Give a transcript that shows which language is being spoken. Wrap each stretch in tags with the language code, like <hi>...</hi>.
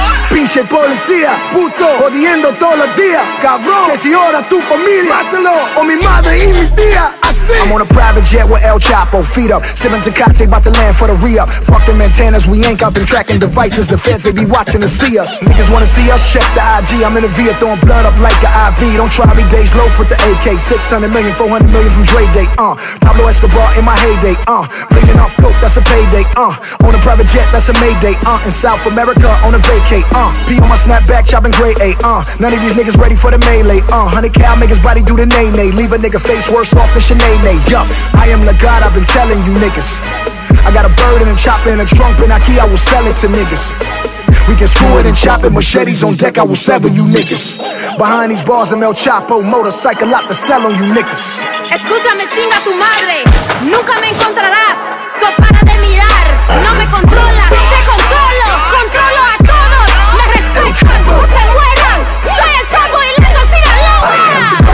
<es>Pinche policía, puto, jodiendo todos los días. Cabrón, que si ahora tu familia, mátalo, o mi madre y mi tía.</es> <en>I'm on a private jet with El Chapo, feet up. Sipping Tecate, about to land for the re-up. Fuck them antennas, we ain't got them tracking devices. The feds, they be watching to see us. Niggas wanna see us, check the IG. I'm in a VIA, throwing blood up like an IV. Don't try me, days low for the AK. 600 million, 400 million from Dre Day, Pablo Escobar in my heyday, Blinging off coke, that's a payday, On a private jet, that's a mayday, In South America, on a vacay, Be on my snapback, chopping gray, None of these niggas ready for the melee, 100K, I'll make his body do the nay-nay. Leave a nigga face worse off than Chanel. Yup, I am the God, I've been telling you niggas. I got a bird and a chopper and a trunk and a key, I will sell it to niggas. We can screw it and chop it, machetes on deck, I will sever you niggas. Behind these bars, I'm El Chapo, motorcycle out to sell on you niggas.</en> <es>Escúchame, chinga tu madre, nunca me encontrarás. So para de mirar, no me controla, te controlo, controlo a todos. Me respetan, no se muevan, soy El Chapo y les consigo la hoja.</es>